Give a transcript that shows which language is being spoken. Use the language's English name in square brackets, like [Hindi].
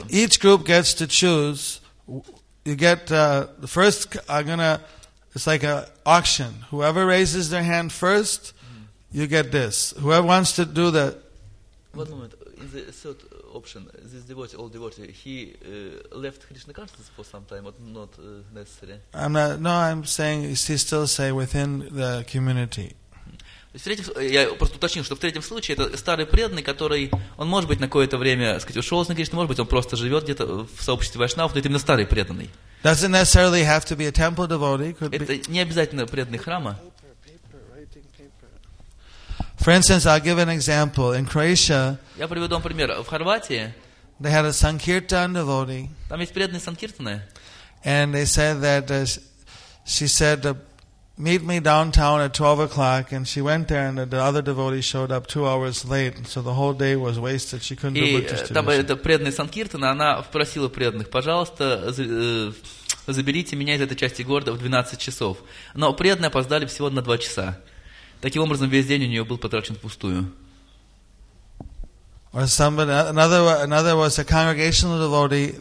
[English] So each group gets to choose. You get the first, it's like an auction. Whoever raises their hand first, you get this. Whoever wants to do that. One moment. In the third option, this devotee, old devotee, he left Krishna consciousness for some time, but not necessary. I'm saying he still stay within the community. [Russian] Я просто уточню, что в третьем случае это старый преданный, который, он может быть на какое-то время, сказать, ушел с Кришны, может быть, он просто живет где-то в сообществе вайшнавов, но это именно старый преданный. [English] Doesn't necessarily have to be a temple devotee. Could be... [Russian] Это не обязательно преданный храма. [English] For instance, I'll give an example. In Croatia, [Russian] я приведу вам пример. В Хорватии, [English] they had a Sankirtan devotee. [Russian] Там есть преданные Санкиртаны. [English] And they said that she said, meet me downtown at 12 o'clock. And she went there, and the other devotee showed up 2 hours late. So the whole day was wasted. She couldn't [Russian] и [English] do much to [Russian] там эта преданная Санкиртана, она попросила преданных, пожалуйста, заберите меня из этой части города в 12 часов. Но преданные опоздали всего на 2 часа. Таким образом, весь день у нее был потрачен впустую. [English] Or somebody, another was a congregational devotee.